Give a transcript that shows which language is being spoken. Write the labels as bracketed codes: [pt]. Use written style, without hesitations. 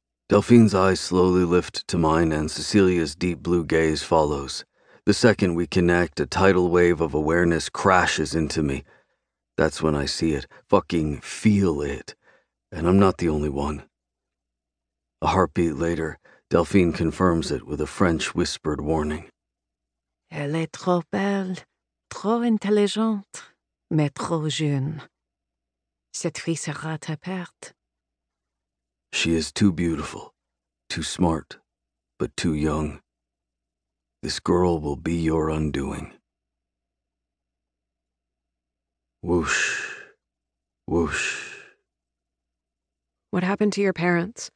[en] Delphine's eyes slowly lift to mine and Cecilia's deep blue gaze follows. The second we connect, a tidal wave of awareness crashes into me. That's when I see it, fucking feel it, and I'm not the only one. A heartbeat later, Delphine confirms it with a French whispered warning. [fr] Elle est trop belle, trop intelligente, mais trop jeune. Cette fille sera ta perte. [en] She is too beautiful, too smart, but too young. This girl will be your undoing. Whoosh, whoosh. What happened to your parents?